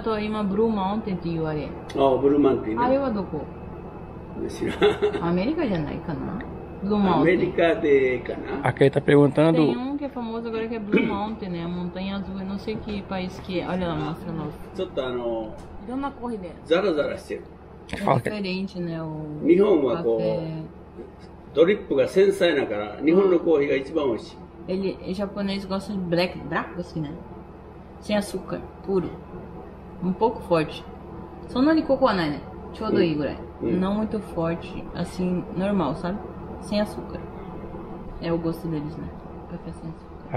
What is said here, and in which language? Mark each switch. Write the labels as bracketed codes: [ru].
[ja] と今ブルーマウンテンって言われ。あ、ブルーマウンテン。あれはどこ？知らん。アメリカじゃないかな。ブルーマウンテン。アメリカでかな。 [pt] あ、quem tá perguntando。 Tem um que é famoso agora que é ブルーマウンテンね、montanha azul、não sei que país que é。 Olha lá, mostra nós。 [ja] ちょっとどんな国で？ザラザラしてる。 [pt] Diferente né o。 [ja] 日本はこうドリップが繊細だから、日本のコーヒーが一番美味しい。 [pt] Ele, em japonês, gosta de black, braco assim, né? Sem açúcar, puro. Um pouco forte. Só não de coco, né? [ja] Chodo igurai. [pt] Não muito forte, assim, normal, sabe? Sem açúcar. É o gosto deles, né? Café sem açúcar.